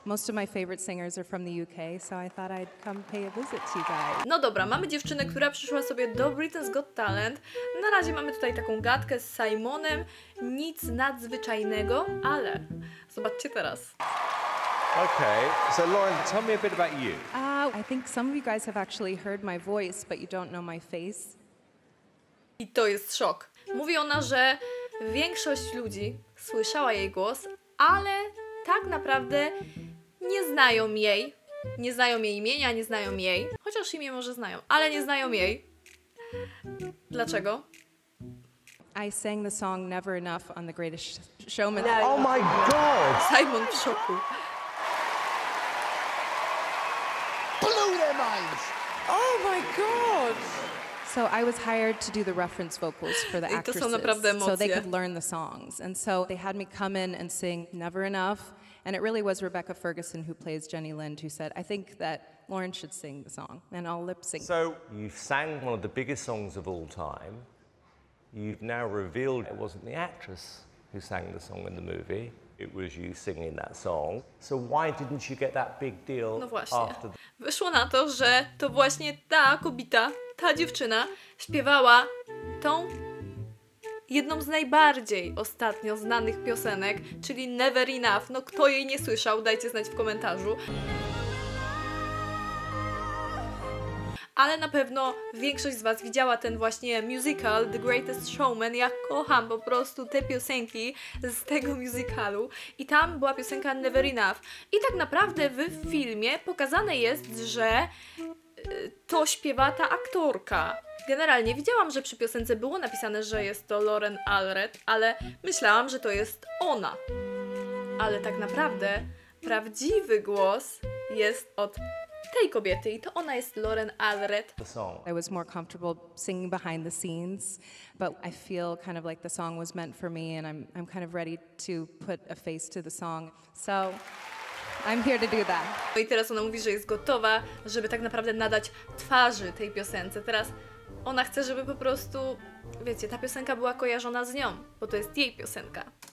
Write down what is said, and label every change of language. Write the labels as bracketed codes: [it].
[en] Most of my favorite singers are from the UK, so I thought I'd come pay a visit to you guys. [pl] No dobra, mamy dziewczynę, która przyszła sobie do Britain's Got Talent. Na razie mamy tutaj taką gadkę z Simonem. Nic nadzwyczajnego, ale zobaczcie teraz. [en] Okay, so Lauren, tell me a bit about you. I think some of you guys have actually heard my voice, but you don't know my face. [pl] I to jest szok. Mówi ona, że większość ludzi słyszała jej głos, ale tak naprawdę nie znają jej. Nie znają jej imienia, nie znają jej. Chociaż imię może znają, ale nie znają jej. Dlaczego? [en] I sang the song Never Enough on The Greatest Showman. No. Oh my God! [pl] Simon w szoku. [en] Blew their minds! Oh my God! So I was hired to do the reference vocals for the actresses, so they could learn the songs. And so they had me come in and sing Never Enough, and it really was Rebecca Ferguson, who plays Jenny Lind, who said, I think that Lauren should sing the song, and I'll lip sync. So you've sang one of the biggest songs of all time. You've now revealed it wasn't the actress who sang the song in the movie. It was you singing that song. So why didn't you get that big deal? [pl] No właśnie. After wyszło na to, że to właśnie ta kobita, ta dziewczyna śpiewała tą jedną z najbardziej ostatnio znanych piosenek, czyli Never Enough. No kto jej nie słyszał, dajcie znać w komentarzu. Ale na pewno większość z Was widziała ten właśnie musical The Greatest Showman. Ja kocham po prostu te piosenki z tego musicalu. I tam była piosenka Never Enough. I tak naprawdę w filmie pokazane jest, że to śpiewa ta aktorka. Generalnie widziałam, że przy piosence było napisane, że jest to Lauren Allred, ale myślałam, że to jest ona. Ale tak naprawdę prawdziwy głos jest od tej kobiety i to ona jest Lauren Allred. [en] The song. I was more comfortable singing behind the scenes, but I feel kind of like the song was meant for me and I'm kind of ready to put a face to the song. So I'm here to do that. [pl] No i teraz ona mówi, że jest gotowa, żeby tak naprawdę nadać twarzy tej piosence. Teraz ona chce, żeby po prostu, wiecie, ta piosenka była kojarzona z nią, bo to jest jej piosenka.